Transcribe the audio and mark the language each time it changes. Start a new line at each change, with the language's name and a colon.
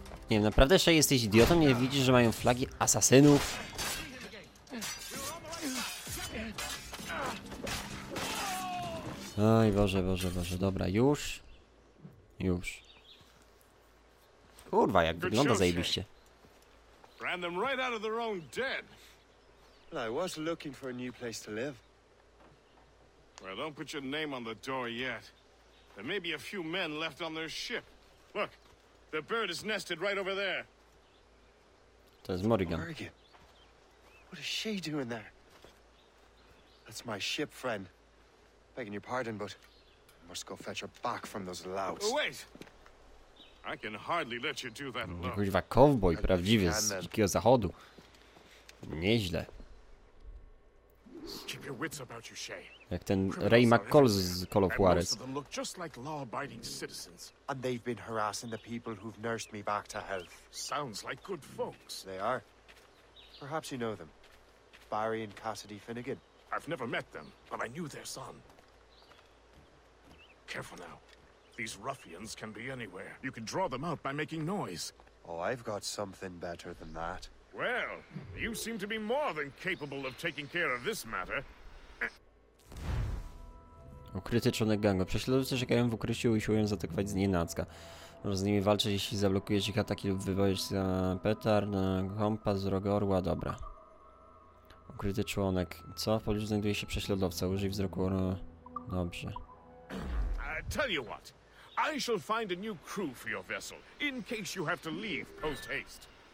Polish: Nie wiem, naprawdę jeszcze jesteś idiotą? Nie widzisz, że mają flagi asasynów? Oj, Boże, dobra, już. Kurwa, jak wygląda zajebiście.
English: Ran them right out of their own den. Well, I was looking for a new place to live. Well, don't put your name on the door yet. There may be a few men left on their ship. Look, the bird is nested right over there.
Polish: To jest Morrigan.
English: What is she doing there? That's my ship friend. Begging your pardon, but Must go fetch her back from those louts. Wait! I can hardly let you do that alone.
Polish: Kurwa, cowboy prawdziwy z dzikiego zachodu. Nieźle.
English: Keep your wits about you, Shay.
Polish: Jak ten Ray McCall z Call of Juarez.
English: And most of them look just like law-abiding citizens. And they've been harassing the people who've nursed me back to health. Sounds like good folks. They are. Perhaps you know them. Barry and Cassidy Finnegan. I've never met them, but I knew their son. Careful now. These ruffians can be anywhere. You can draw them out by making noise. Oh, I've got something better than that. Well, you seem to be more than capable of taking care of this matter.
Polish: Ukryty członek gangu. Prześladowcy czekają w ukryciu i usiłują zaatakować z nienacka. Możesz z nimi walczyć, jeśli zablokujesz ich ataki lub wywołujesz się na petard, na kompas, wzrok orła. Dobra. Ukryty członek. Co? W pobliżu znajduje się prześladowca. Użyj wzroku orła. Dobrze.
English: Tell you what. I shall find a new crew for your vessel, in case you have to leave post haste.